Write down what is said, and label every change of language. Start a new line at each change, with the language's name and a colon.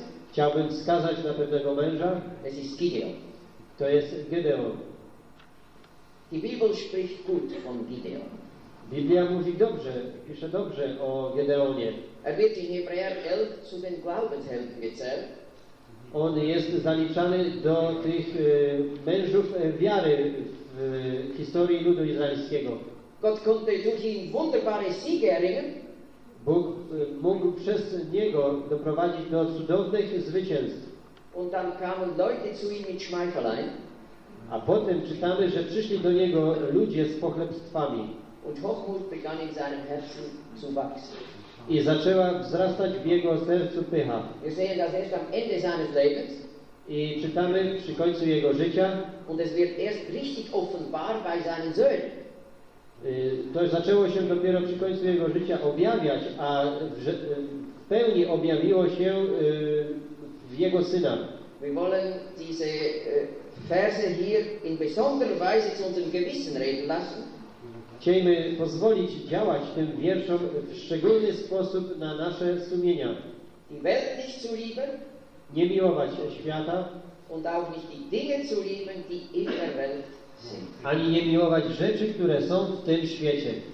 Polish: Chciałbym wskazać na pewnego męża. To jest Gideon.
German: Die Bibel spricht gut von Gideon.
Polish: Biblia mówi dobrze, pisze dobrze o Gideonie.
German: Er wird in Hebräer 11 zu den Glaubenshelden gezählt.
Polish: On jest zaliczany do tych mężów wiary w historii ludu izraelskiego.
German: Gott konnte durch ihn wunderbare Siege erringen.
Polish: Bóg mógł przez niego doprowadzić do cudownych zwycięstw.
German: Und dann kamen Leute zu ihm mit Schmeichelein.
Polish: A potem czytamy, że przyszli do niego ludzie z pochlebstwami.
German: Und Hochmut begann in seinem Herzen zu wachsen.
Polish: I zaczęła wzrastać w jego sercu pycha.
German: Wir sehen das erst am Ende seines Lebens.
Polish: I czytamy przy końcu jego życia.
German: Und es wird erst richtig offenbar bei seinen Söhnen.
Polish: To zaczęło się dopiero przy końcu jego życia objawiać, a w pełni objawiło się w jego synach.
German: Wir wollen diese Verse hier in besonderer Weise zu unserem Gewissen reden lassen.
Polish: Chcemy pozwolić działać tym wierszom w szczególny sposób na nasze sumienia.
German: Die Welt nicht zu lieben,
Polish: nie miłować świata.
German: Und auch nicht die Dinge zu lieben, die in der Welt sind.
Polish: Ani nie miłować rzeczy, które są w tym świecie.